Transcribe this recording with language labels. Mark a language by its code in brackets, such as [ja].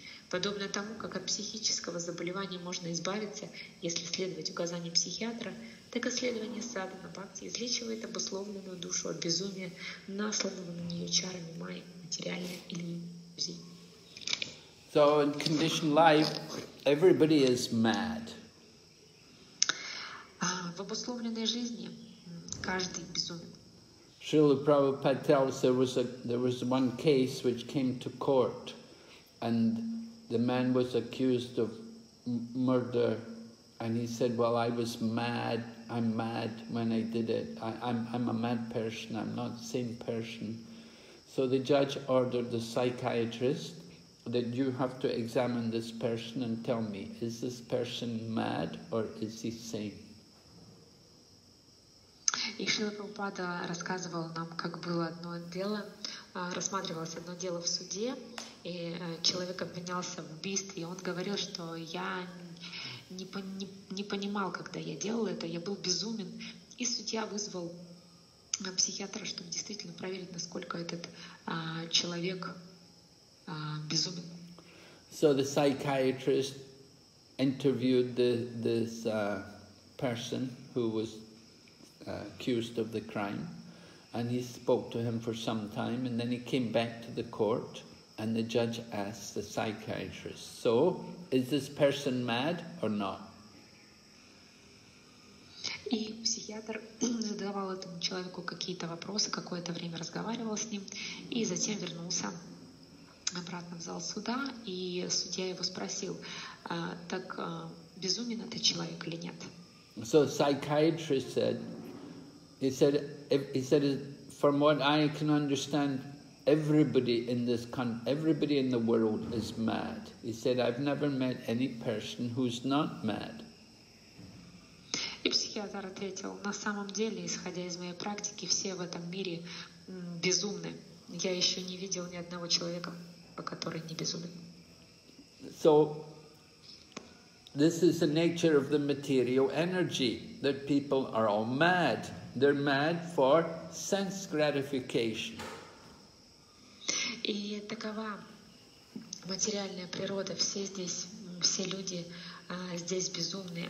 [ru] Подобно тому, как от психического заболевания можно избавиться, если следовать указаниям психиатра, так исследование садхана бхакти излечивает обусловленную душу от безумия, насланного на нее чарами майи, материальной иллюзии. [en] So in conditioned life, everybody is mad. [ru] В обусловленной жизни каждый безумен. [en] Srila Prabhupada tells there was one case which came to court, and the man was accused of murder, and he said, "Well, I was mad. I'm mad when I did it. I'm a mad person. I'm not the same person." So the judge ordered the psychiatrist that you have to examine this person and tell me, is this person mad or is he sane? [ru] И Шрила Прабхупада рассказывал нам, как было одно дело, рассматривалось одно дело в суде, и человек обвинялся в убийстве, и он говорил, что я не понимал, когда я делал это, я был безумен. И судья вызвал психиатра, чтобы действительно проверить, насколько этот человек безумен. [en] So the psychiatrist interviewed this person who was accused of the crime, and he spoke to him for some time, and then he came back to the court, and the judge asked the psychiatrist, "So, is this person mad or not?" [ru] И психиатр задавал этому человеку какие-то вопросы, какое-то время разговаривал с ним, и затем вернулся обратно в зал суда, и судья его спросил, так безумен этот человек или нет? [en] So the psychiatrist said, he said, from what I can understand, everybody in the world is mad. He said, I've never met any person who's not mad. [ru] И психиатр ответил, на самом деле, исходя из моей практики, все в этом мире безумны. Я еще не видел ни одного человека, который не безумен. [en] So, this is the nature of the material energy, that people are all mad. They're mad for sense gratification. [ru] И такова материальная природа. Все здесь, все люди здесь безумны.